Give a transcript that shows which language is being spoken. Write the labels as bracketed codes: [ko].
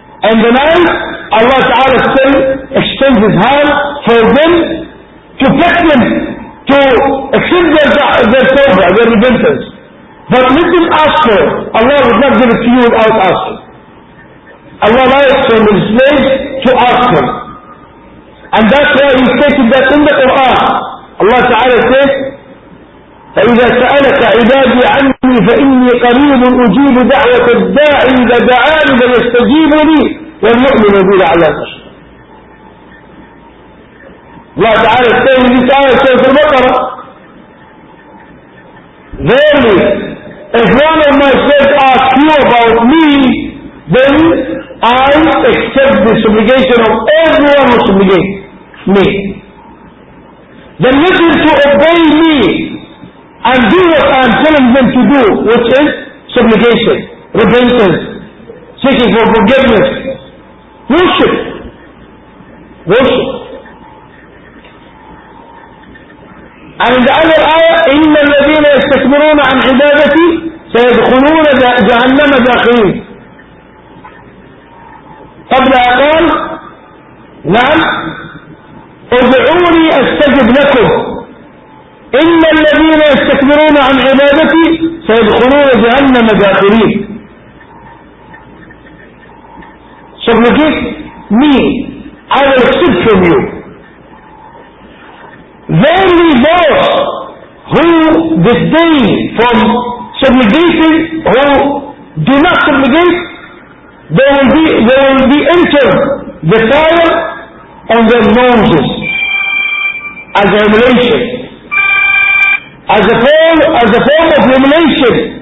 [en] In the night, Allah Ta'ala still extends His hand for them to pick them, to accept their tawbah, their repentance. But let them ask for it. Allah would not give it to you without asking. Allah likes from His slaves to ask Him. [ar] And that's why He stated that in the Quran, Allah Ta'ala says, فَإِذَا سَأَلَكَ عِبَادِي عَنِّي فَإِنِّي قَرِيبٌ أُجِيبُ دَعْوَةَ الدَّاعِي إِذَا دَعَانِ فَلْيَسْتَجِيبُ لِي وَلْيُؤْمِنُ بِي لَعَلَّهُمْ يَهْتَدُونَ. [en] Allah Ta'ala says in this ayah, Surah Al-Baqarah, verily, if one of my slaves ask you about me, then I accept the supplication of everyone who supplicates me. Then let them to obey me and do what I am telling them to do, which is supplication, repentance, seeking for forgiveness, worship. Worship. [ar] And in the other ayah, إِنَّ الَّذِينَ يَسْتَكْبِرُونَ عَنْ عِبَادَتِي سَيَدْخُلُونَ جَهَنَّمَ دَاخِرِينَ. قبل أقول نعم ادعوني أستجب لكم إن الذين يستكبرون عن عبادتي سيدخلون جهنم داخرين. [en] Supplicate me, I will accept from you. Verily those who disdain from supplicating, who do not supplicate, They will be entered the fire on their noses as a humiliation, as a form of humiliation.